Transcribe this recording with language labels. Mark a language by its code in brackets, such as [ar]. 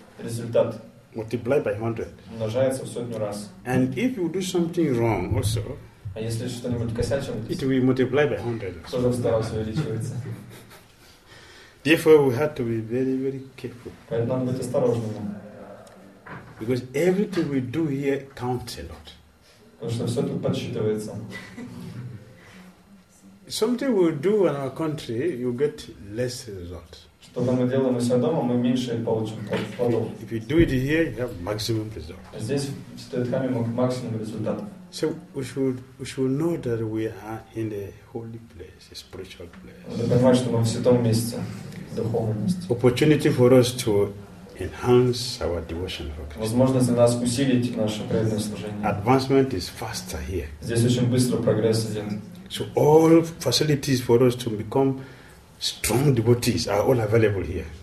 [ru] Результат. [en] Multiplied by 100. [ru] Умножается в сотню раз. [en] And if you do something wrong also, [ru] а если что-нибудь косячим, [en] it will be multiplied by 100. [ru] Тоже в 100 раз увеличивается. [en] Therefore, we have to be very, very careful. [ru] Поэтому надо быть осторожными. [en] Because everything we do here counts a lot. [ru] Потому что все тут подсчитывается. [en] Something we do in our country, you get less result. [ru] Что мы делаем у себя дома, мы меньше получим плодов. [en] If you do it here, you have maximum result. [ru] Здесь в Стоитхаме максимум результатов. [en] So we should know that we are in a holy place, a spiritual place. [ru] Мы понимаем, что мы в святом месте, духовном. [en] Opportunity for us to enhance our devotion for Krishna. [ru] Возможность для нас усилить наше преданное служение. [en] Advancement is faster here. [ru] Здесь очень быстро прогресс идет. [en] So all facilities for us to become strong devotees are all available here.